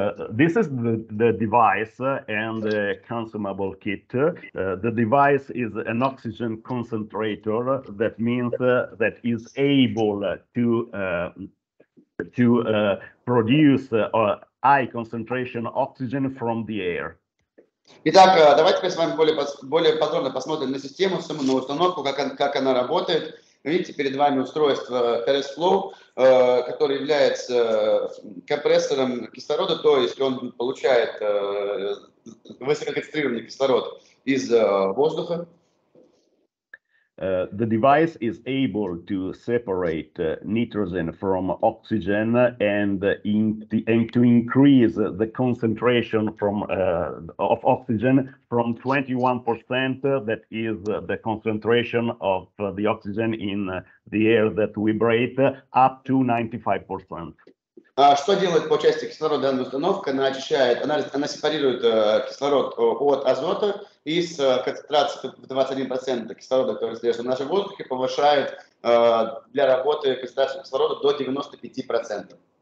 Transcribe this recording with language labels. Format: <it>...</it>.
<en>This is the device and the consumable kit. The device is an oxygen concentrator. That means that is able to produce high concentration oxygen from the air.</en> <ru>Итак, давайте с вами более подробно посмотрим на систему, саму установку, как она работает. Видите, перед вами устройство CRS-Flow, которое является компрессором кислорода, то есть он получает высококонцентрированный кислород из воздуха.</ru> <en>The device is able to separate nitrogen from oxygen and to increase the concentration of oxygen from 21%, that is the concentration of the oxygen in the air that we breathe, up to 95%.</en> <ru>Что делает по части кислорода данная установка? Она очищает, она сепарирует кислород от азота и с концентрацией в 21% кислорода, который содержится в нашем воздухе, повышает для работы концентрацию кислорода до 95%.</ru>